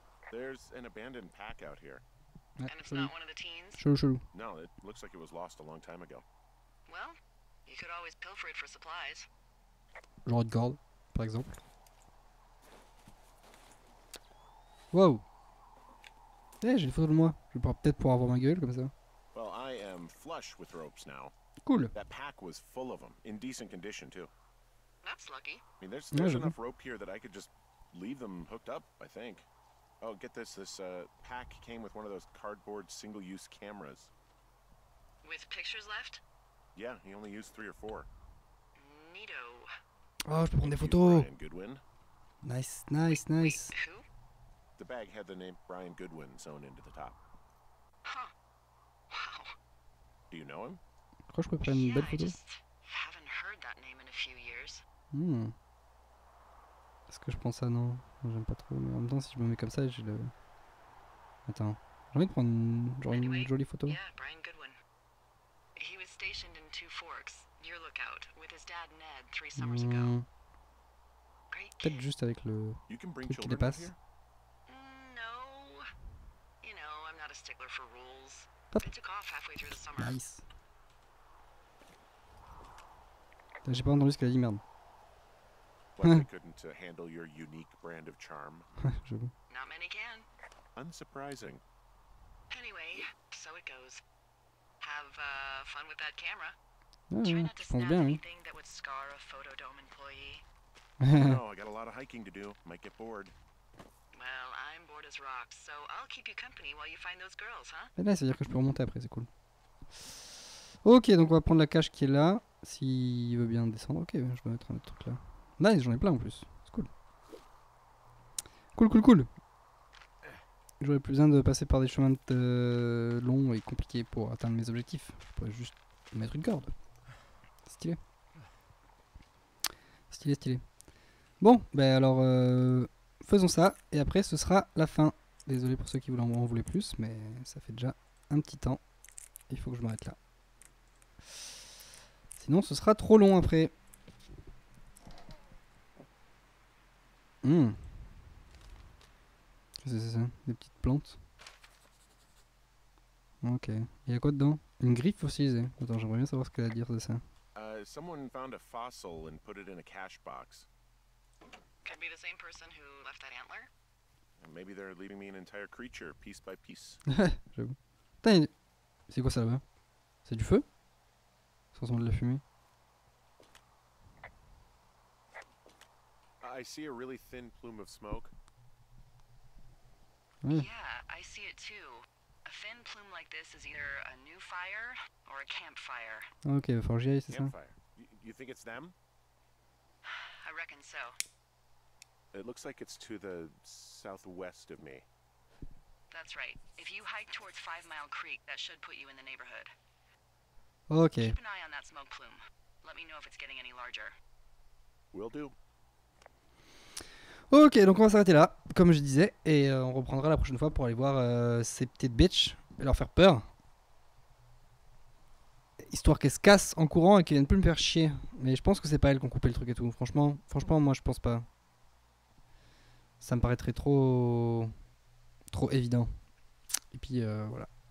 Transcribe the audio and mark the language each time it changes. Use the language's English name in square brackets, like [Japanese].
[English] There's an abandoned pack out here. And it's not one of the teens? [French] Chelou. [English] No, it looks like it was lost a long time ago. Well, you could always pilfer it for supplies. [French] Genre de gold, par exemple. Wow. Eh, j'ai une photo de moi. Je vais peut-être pouvoir avoir ma gueule comme ça. [English] Well, I am flush with ropes now. Cool. That pack was full of them, in decent condition too. That's lucky. I mean, there's enough rope here that I could just leave them hooked up, I think. Oh, get this pack came with one of those cardboard single-use cameras. With pictures left? Yeah, he only used 3 or 4. Neato. [French] Oh, je peux prendre des photos. [English] Brian Goodwin. Nice, nice, nice. Wait, who? The bag had the name Brian Goodwin sewn into the top. Huh. Wow. Do you know him? [French] Je crois que je peux prendre une belle photo. [English] Yeah, I just haven't heard that name in a few years. [French] Est-ce que je prends ça? Non, j'aime pas trop, mais en même temps, si je me mets comme ça, j'ai le... Attends, j'ai envie de prendre une jolie photo. [English] Yeah, Brian Goodwin. He was stationed in Two Forks, your lookout, with his dad Ned 3 summers ago. [French] Peut-être juste avec le truc qui dépasse. [English] No. You know, I'm not a stickler for rules. I took off halfway through the summer. Nice. [French] J'ai pas entendu ce qu'elle a dit, merde. [English] I couldn't handle your unique brand of charm. Not many can. Unsurprising. Anyway, so it goes. Have fun with that camera. [French] Ouais, [English] try not to snap [French] bien, [English] anything that would scar a photo dome employee. No, I got a lot of hiking to do. Might get bored. Well, I'm bored as rocks, so I'll keep you company while you find those girls, huh? [French] Mais là, c'est-à-dire que je peux remonter après, c'est cool. Ok, donc on va prendre la cache qui est là. S'il veut bien descendre, ok, je vais mettre un autre truc là. Nice, j'en ai plein en plus. C'est cool. Cool, cool, cool. J'aurais plus besoin de passer par des chemins longs et compliqués pour atteindre mes objectifs. Je pourrais juste mettre une corde. Stylé. Stylé, stylé. Bon, bah alors, faisons ça, et après ce sera la fin. Désolé pour ceux qui en voulaient plus, mais ça fait déjà un petit temps. Il faut que je m'arrête là. Sinon, ce sera trop long après. Qu'est-ce que c'est ça? Des petites plantes. Ok. Il y a quoi dedans? Une griffe fossilisée. Attends, j'aimerais bien savoir ce qu'elle a à dire de ça. [English] Someone found a fossil and put it in a cash box. Could be the same person who left that antler. Maybe they're leaving me an entire creature, piece by piece. [French] J'avoue. Putain, c'est quoi ça là-bas? C'est du feu? Ça ressemble à de la fumée. [English] I see a really thin plume of smoke. [French] Oui. [English] Yeah, I see it too. A thin plume like this is either a new fire or a campfire. [French] Ok, il va falloir que j'y aille, c'est [English] campfire. [French] Ça. [English] You think it's them? I reckon so. It looks like it's to the southwest of me. That's right. If you hike towards Five Mile Creek, that should put you in the neighborhood. Ok. Keep an eye on that smoke plume. Let me know if it's getting any larger. Will do. [French] Ok, donc on va s'arrêter là, comme je disais, et on reprendra la prochaine fois pour aller voir ces petites bitches et leur faire peur. Histoire qu'elles se cassent en courant et qu'elles viennent plus me faire chier. Mais je pense que c'est pas elles qui ont coupé le truc et tout. Franchement, moi je pense pas. Ça me paraîtrait trop évident. Et puis voilà.